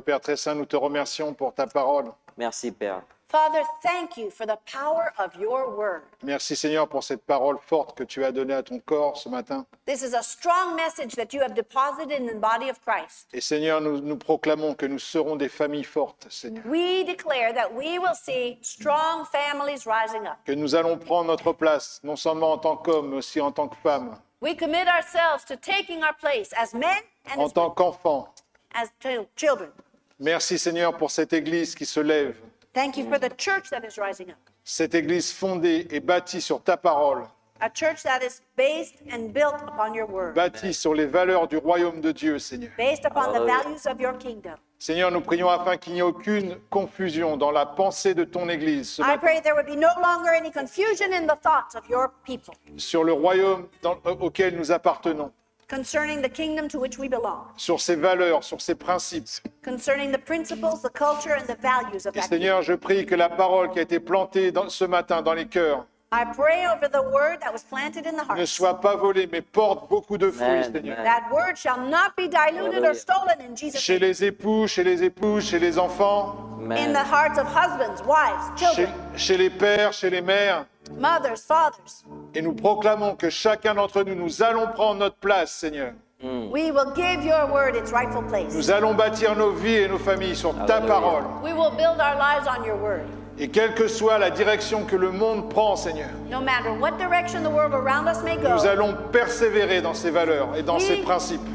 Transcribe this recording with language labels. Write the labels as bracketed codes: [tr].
[fr] Père très saint, nous te remercions pour ta parole. Merci, Père. [en] Father, thank you for the power of your word. [fr] Merci Seigneur pour cette parole forte que tu as donnée à ton corps ce matin. [en] This is a strong message that you have deposited in the body of Christ. [fr] Et Seigneur, nous proclamons que nous serons des familles fortes, Seigneur. [en] We declare that we will see strong families rising up. [fr] Que nous allons prendre notre place, non seulement en tant qu'hommes, mais aussi en tant que femmes. [en] We commit ourselves to taking our place as men and [fr] en tant qu'enfants. [en] As children. [fr] Merci Seigneur pour cette église qui se lève. [en] Thank you for the church that is rising up. [fr] Cette église fondée et bâtie sur ta parole. [en] A church that is based and built upon your word. [fr] Bâtie sur les valeurs du royaume de Dieu, Seigneur. [en] Based upon the values of your kingdom. [fr] Seigneur, nous prions afin qu'il n'y ait aucune confusion dans la pensée de ton Église. [en] I pray there would be no longer any confusion in the thoughts of your people. [fr] Sur le royaume auquel nous appartenons. [en] Concerning the kingdom to which we belong. [fr] Sur ses valeurs, sur ses principes. [en] Concerning the principles, the culture and the values of that. [fr] Et Seigneur, je prie que la parole qui a été plantée ce matin dans les cœurs. [en] I pray over the word that was planted in the hearts. [fr] Ne soit pas volé, mais porte beaucoup de fruits, Seigneur. [en] That word shall not be diluted or stolen in Jesus' name. [fr] Chez les époux, chez les épouses, chez les enfants. [en] In the hearts of husbands, wives, children. [fr] Chez les pères, chez les mères. [en] Mothers, fathers. [fr] Et nous proclamons que chacun d'entre nous, nous allons prendre notre place, Seigneur. [en] We will give your word its rightful place. [fr] Nous allons bâtir nos vies et nos familles sur ta parole. [en] We will build our lives on your word. [fr] Et quelle que soit la direction que le monde prend, Seigneur, [en] no matter what direction the world around us may go, [fr] nous allons persévérer dans ses valeurs et dans ses principes.